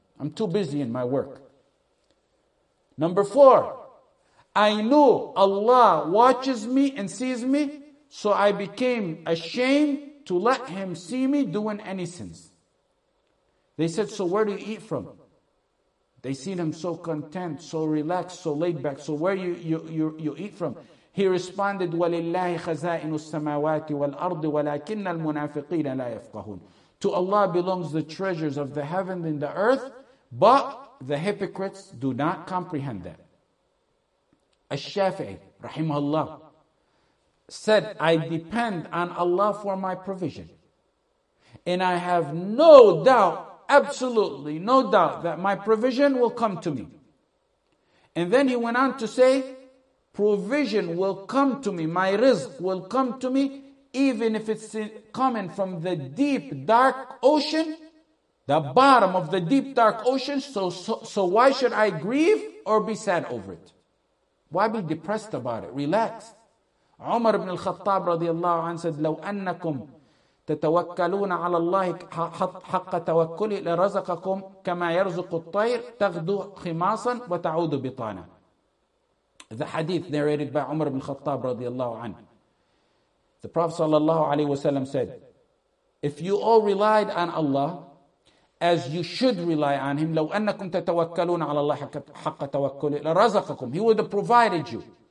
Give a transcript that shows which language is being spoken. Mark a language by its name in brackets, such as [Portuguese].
[English] I'm too busy in my work. Number four, I knew Allah watches me and sees me, so I became ashamed to let Him see me doing any sins. They said, so where do you eat from? They seen Him so content, so relaxed, so laid back. So where you eat from? He responded, [Arabic] وَلِلَّهِ خَزَائِنُ السَّمَاوَاتِ وَالْأَرْضِ وَلَكِنَّ الْمُنَافِقِينَ لَا يَفْقَهُونَ. [English] To Allah belongs the treasures of the heaven and the earth, but the hypocrites do not comprehend that. Al-Shafi'i, rahimahullah, said, I depend on Allah for my provision. And I have no doubt, absolutely no doubt, that my provision will come to me. And then he went on to say, provision will come to me, my rizq will come to me, even if it's coming from the deep, dark ocean, the bottom of the deep, dark ocean, so why should I grieve or be sad over it? Why be depressed about it? Relax. Umar ibn al-Khattab radiallahu anhu said, [Arabic] لو أنكم تتوكلون على الله حق توكله لرزقكم كما يرزق الطير تغدو خماصا وتعود بطانا. [English] The hadith narrated by Umar ibn al-Khattab radiallahu anhu. The Prophet sallallahu alaihi wasallam said, if you all relied on Allah as you should rely on Him, [Arabic] لو أنكم تتوكلون على الله حق توكله لرزقكم, [English] He would have provided you.